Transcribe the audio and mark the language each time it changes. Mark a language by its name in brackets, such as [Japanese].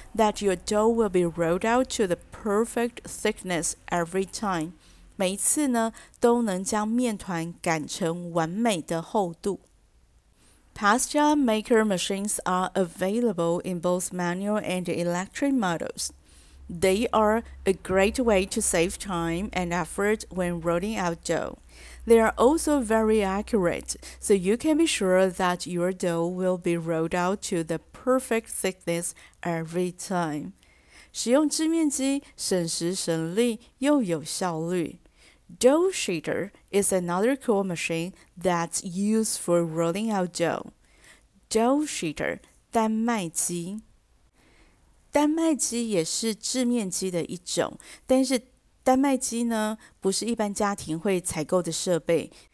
[English] that your dough will be rolled out to the perfect thickness every time. [Chinese] 每一次呢都能将面团擀成完美的厚度。 [English] Pasta maker machines are available in both manual and electric models. They are a great way to save time and effort when rolling out dough. They are also very accurate, so you can be sure that your dough will be rolled out to the perfect thickness every time. [Chinese] 使用制面机省时省力又有效率。 [English] Dough sheeter is another cool machine that's used for rolling out dough. Dough sheeter, 丹麦机。 [Chinese] 丹麦机也是制面机的一种，但是丹麦机呢，不是一般家庭会采购的设备。